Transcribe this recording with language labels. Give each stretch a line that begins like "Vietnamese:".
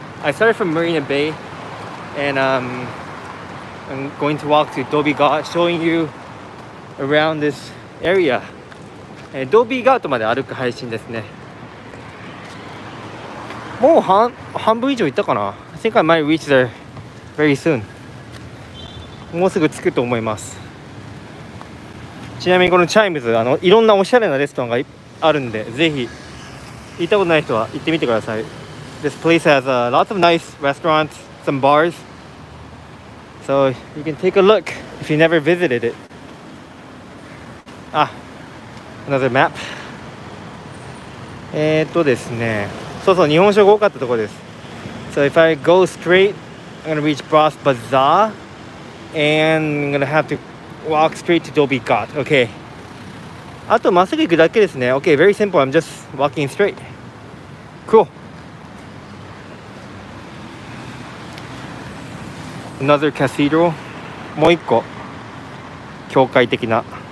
English: I started from Marina Bay and I'm going to walk to Dolby Gat, showing you around this area.
Japanese: Dolby Gat まで歩く配信ですね。もう半分以上行ったかな?
English: I think I might reach there very soon.
Japanese: もうすぐ着くと思います。ちなみにこのチャイムズ、あのいろんなおしゃれなレストランがあるんで、ぜひ行ったことない人は行ってみてください。
English: This place has lots of nice restaurants, some bars. So you can take a look if you never visited it. Ah, another map.
Japanese: ですね。そうそう、日本食多かったところです。
English: So if I go straight, I'm gonna reach Bras Basah, and I'm gonna have to walk straight to Dolby Gat. Okay.
Japanese: あとまっすぐ行くだけですね。
English: Okay, very simple. I'm just walking straight. Cool. Another cathedral.
Japanese: もう一個教会的な。